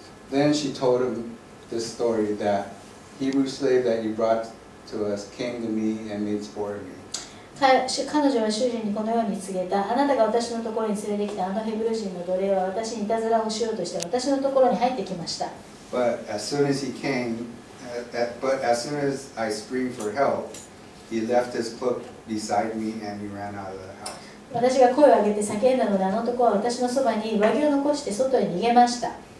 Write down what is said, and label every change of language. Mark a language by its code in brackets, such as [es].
[en] Then she told him this story that Hebrew slave that you brought to us came to me and made sport of me. [ja] 彼女は主人にこのように告げた。あなたが私のところに連れてきたあのヘブル人の奴隷は私にいたずらをしようとして私のところに入ってきました。 [en] But as soon as I screamed for help, he left his cloakBeside me and he ran out of the house. [ja] 私が声を上げて叫んだので、あの男は私のそばに上着を残して外へ逃げました。